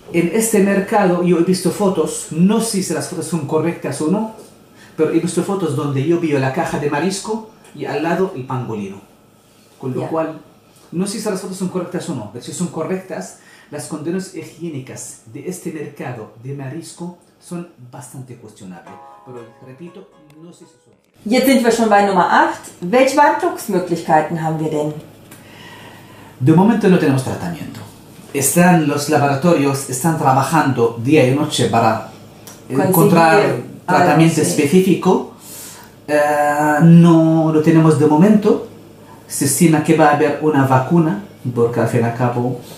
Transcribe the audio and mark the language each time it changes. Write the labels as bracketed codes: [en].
[es] Y en este mercado yo he visto fotos, no sé si las fotos son correctas o no, pero he visto fotos donde yo veo la caja de marisco y al lado el pangolino. Con lo cual, no sé si las fotos son correctas o no, pero si son correctas, las condiciones higiénicas de este mercado de marisco son bastante cuestionables. Pero repito, no sé si son. [de] Jetzt sind wir schon bei Nummer 8. Welche Behandlungsmöglichkeiten haben wir denn? [es] De momento no tenemos tratamiento. Están los laboratorios, están trabajando día y noche para encontrar tratamiento específico. No tenemos de momento. Se estima que va a haber una vacuna, porque al fin y al cabo.